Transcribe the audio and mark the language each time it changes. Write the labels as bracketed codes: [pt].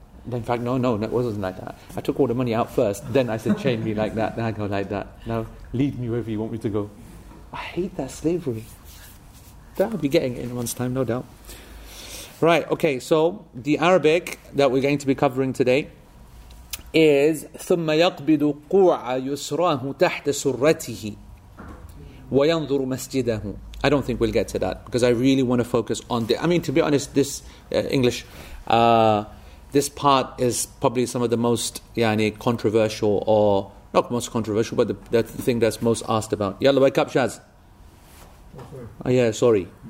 [en] In fact, no, it wasn't like that. I took all the money out first, then I said, chain me like that, then I go like that. Now, lead me wherever you want me to go. I hate that slavery. That I'll be getting it in a month's time, no doubt. Right, okay, so the Arabic that we're going to be covering today [ar] is ثم يقبض قوع يسراه تحت سرته وينظر مسجده. [en] I don't think we'll get to that because I really want to focus on the. I mean, to be honest, this English, this part is probably some of the most controversial, or not most controversial, but the thing that's most asked about. Yalla, wake up, Shaz. Sorry.